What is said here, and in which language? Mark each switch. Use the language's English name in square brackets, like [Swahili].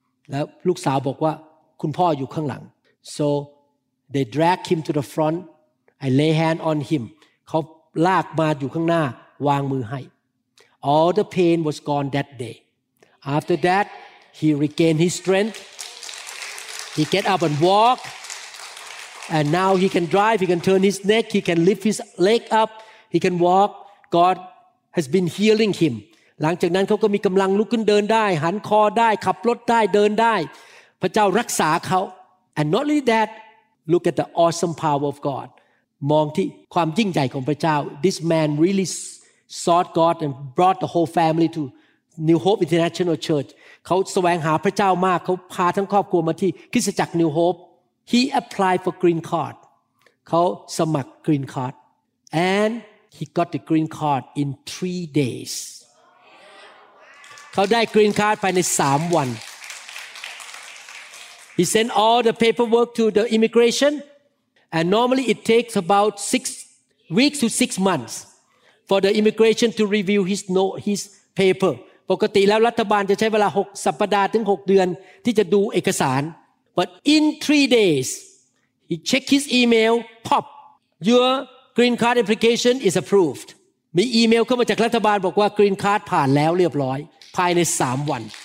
[Thai] แล้วลูกสาวบอกว่าคุณพ่ออยู่ข้างหลัง. [English] So they drag him to the front. I lay hand on him. [Thai] เขาลากมาอยู่ข้างหน้า, วางมือให้. [English] All the pain was gone that day. After that, he regained his strength. He get up and walk. And now he can drive, he can turn his neck, he can lift his leg up, he can walk. God has been healing him. [Thai] หลังจากนั้นเขาก็มีกำลังลุกขึ้นเดินได้หันคอได้ขับรถได้เดินได้พระเจ้ารักษาเขา [English] And not only that, look at the awesome power of God. [Thai] มองที่ความยิ่งใหญ่ของพระเจ้า [English] This man reallysought God and brought the whole family to New Hope International Church. [Thai] เขาแสวงหาพระเจ้ามากเขาพาทั้งครอบครัวมาที่คริสตจักร New Hope. [English] He applied for green card. [Thai] เขาสมัคร green card. [English] And he got the green card in 3 days. [Thai] เขาได้ green card ภายใน3วัน [English] He sent all the paperwork to the immigration. And normally it takes about 6 weeks to 6 months. For the immigration to review his note, his paper. [Thai] ปกติแล้วรัฐบาลจะใช้เวลา6สัปดาห์ถึง6เดือนที่จะดูเอกสาร [English] But in 3 days, he check his email, pop, your green card application is approved [Thai] มีอีเมลเข้ามาจากรัฐบาลบอกว่า green card ผ่านแล้วเรียบร้อยภายใน3วัน